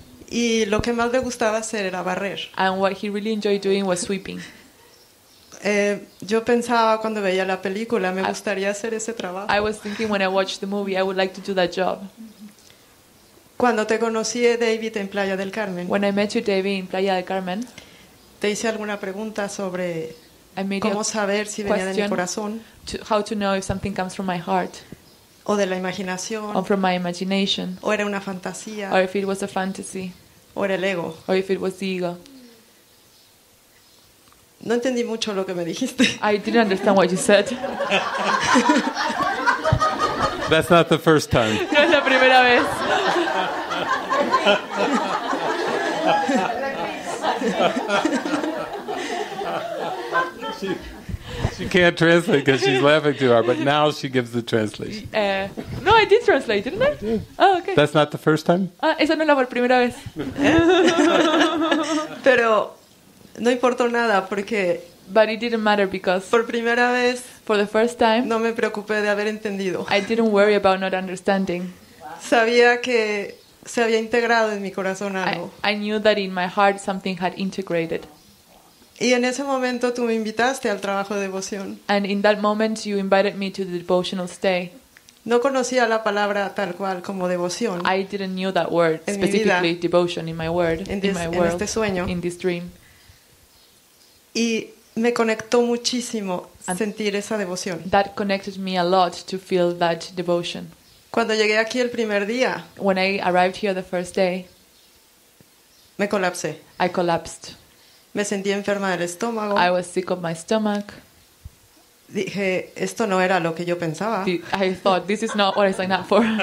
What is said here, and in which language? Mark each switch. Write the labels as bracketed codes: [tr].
[es] Y lo que más le gustaba hacer era barrer. [en] And what he really enjoyed doing was sweeping. [es] Yo pensaba cuando veía la película, me gustaría hacer ese trabajo. [en] I was thinking when I watched the movie, I would like to do that job. [es] Cuando te conocí, David, en Playa del Carmen. [en] When I met you, David, in Playa del Carmen. [es] Te hice alguna pregunta sobre cómo saber si venía de mi corazón. [en] How to know if something comes from my heart. [es] O de la imaginación. [en] Or from my imagination. [es] O era una fantasía. [en] Or if it was a fantasy. [es] O era el ego. [en] Or if it was the ego. [es] No entendí mucho lo que me dijiste. [en] I didn't understand what you said. That's not the first time. [es] No es la primera vez. [en] She she can't translate because she's laughing too hard, but now she gives the translation. No, I did translate, didn't I? Did. Oh, okay. That's not the first time? [es] Esa no es la primera vez. Pero no importó nada porque... [en] But it didn't matter because... [es] Por primera vez... [en] For the first time... [es] No me preocupé de haber entendido. [en] I didn't worry about not understanding. [es] Sabía que se había integrado en mi corazón algo. [en] I knew that in my heart something had integrated. [es] Y en ese momento tú me invitaste al trabajo de devoción. [en] And in that moment you invited me to the devotional stay. [es] No conocía la palabra tal cual como devoción. [en] I didn't know that word, specifically devotion in my word, in my world, [es] en este sueño. [en] In this dream. [es] Y me conectó muchísimo and sentir esa devoción. [en] That connected me a lot to feel that devotion. [es] Cuando llegué aquí el primer día, [en] when I arrived here the first day, [es] me colapsé. [en] I collapsed. [es] Me sentí enferma del estómago. [en] I was sick of my stomach. [es] Dije, esto no era lo que yo pensaba. [en] I thought, this is not what I signed up for.